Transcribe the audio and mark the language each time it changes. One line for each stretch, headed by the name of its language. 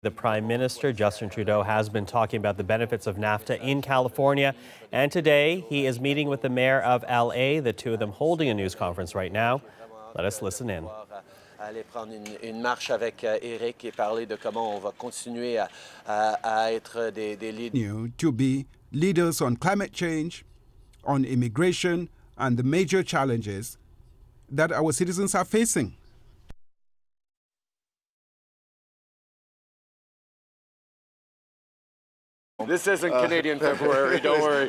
English: The Prime Minister, Justin Trudeau, has been talking about the benefits of NAFTA in California. And today, he is meeting with the mayor of L.A., the two of them holding a news conference right now. Let us listen in.
French: Aller prendre une marche avec Eric et parler de comment on va continuer à être des leaders.
English: To be leaders on climate change, on immigration, and the major challenges that our citizens are facing. This isn't Canadian February, don't worry.